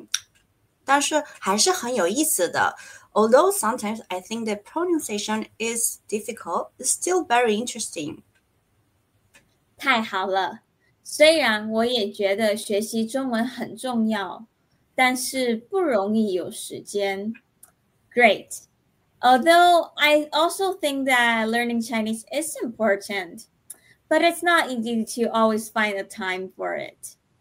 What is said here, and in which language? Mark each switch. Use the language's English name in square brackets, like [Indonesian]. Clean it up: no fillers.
[Chinese] 虽然有时候我觉得发音很难,但是还是很有意思的. [English] Although sometimes I think the pronunciation is difficult, it's still very interesting. [Chinese] 太好了,虽然我也觉得学习中文很重要。但是不容易有时间. [English] Great. Although I also think that learning Chinese is important, but it's not easy to always find a time for it.